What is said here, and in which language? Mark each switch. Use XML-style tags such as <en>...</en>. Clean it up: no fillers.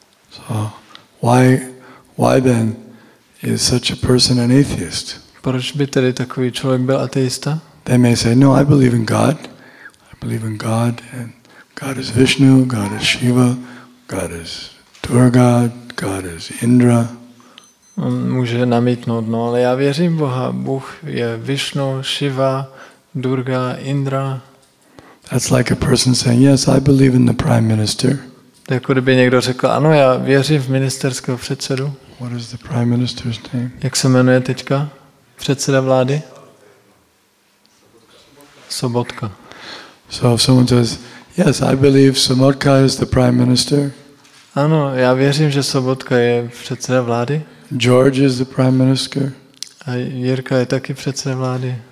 <en>So why then is such a person an atheist?</en> <cs>Proč by tedy takový člověk byl ateista?</cs> <en>They may say, no, I believe in God. I believe in God, and God is Vishnu, God is Shiva, God is Durga, God is Indra.</en> <cs>On může namítnout, no, ale já věřím Boha. Bůh je Vishnu, Shiva, Durga, Indra.</cs> <en>That's like a person saying, yes, I believe in the prime minister.</en> <cs>Jako kdyby někdo řekl, ano, já věřím v ministerského předsedu.</cs> <en>What is the prime minister's name?</en> <cs>Jak se jmenuje teďka? Předseda vlády? Sobotka.</cs> <en>So if someone says, yes, I believe Sobotka is the prime minister.</en> <cs>Ano, já věřím, že Sobotka je předseda vlády.</cs> <en>George is the prime minister.</en> <cs>A Jirka je taky předseda vlády.</cs>